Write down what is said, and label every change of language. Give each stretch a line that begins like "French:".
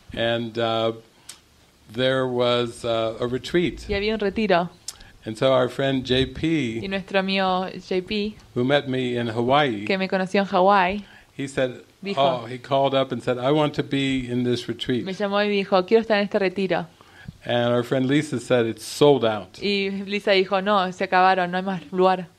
English: And there was a retreat.
Spanish: Y había un retiro.
English: And so our friend JP.
Spanish: Y nuestro amigo JP.
English: Who met me in Hawaii.
Spanish: Que me conoció en Hawaii.
English: He said,
Spanish: dijo,
English: oh, he called up and said, I want to be in this retreat.
Spanish: Me llamó y dijo, quiero estar en este retiro.
English: And our friend Lisa said it's sold out.
Spanish: Y Lisa dijo, no, se acabaron, no hay más lugar.